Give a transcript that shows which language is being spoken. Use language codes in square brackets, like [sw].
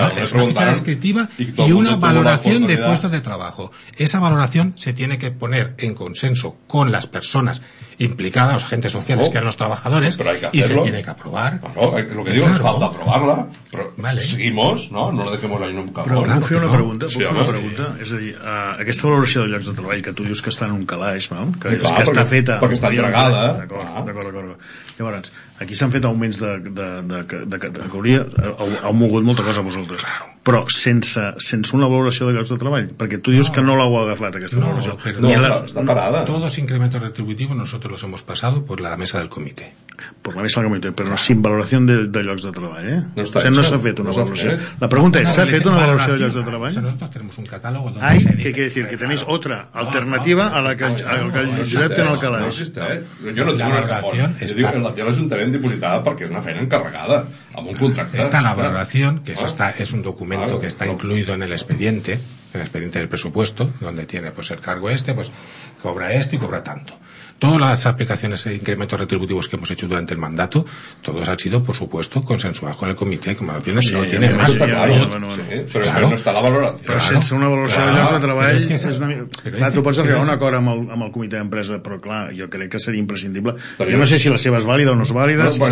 [es] es una ficha descriptiva y una valoración de puestos de trabajo. Esa valoración se tiene que poner en consenso con las personas implicada, los agentes sociales, que eran los trabajadores, y se tiene que aprobar. Claro, lo que digo es falta aprobarla, pero vale. Seguimos, no la dejemos ahí nunca. [ca] Pero puedo hacer una pregunta, Es a dir, aquesta valoració de llocs de treball que tu dius que està en un calaix, no? Perquè està entregada. D'acord. Aquí s'han fet augments de categoria, heu mogut molta cosa vosaltres, però sense una valoració de llocs de treball, perquè tu dius que no l'heu agafat aquesta valoració. Està parada. [es] Todos incrementos retributivos nosotros los hemos pasado por la mesa del comité. Por la mesa del comité, però no, sin [ca] valoració de llocs de treball, [es] eh? [ca] No s'ha fet una valoració. La pregunta és, s'ha fet una valoració de llocs de treball? [es] Nosotros tenemos un catálogo donde... Ai, què quiere decir? Que tenéis otra alternativa a la que el Josep [ca] té en el calaix. [es] No existe, eh? [ca] Jo no tinc una reforma. Jo la tinc depositada perquè és una feina encarregada amb un contracte. [es] Está la valoración, que eso está, es un documento que está incluido en el expediente, del presupuesto, donde tiene pues el cargo este, pues cobra esto y cobra tanto. Todas las aplicaciones e incrementos retributivos que hemos hecho durante el mandato, todos han sido, por supuesto, consensuados con el comité, como lo tiene, Pero no está la valoración. [ca] Pero sense una valoración de llocs de treball... Tu pots arribar a un acord amb el comité d'empresa, però clar, jo crec que seria imprescindible. Jo no sé si la seva és vàlida o no és vàlida.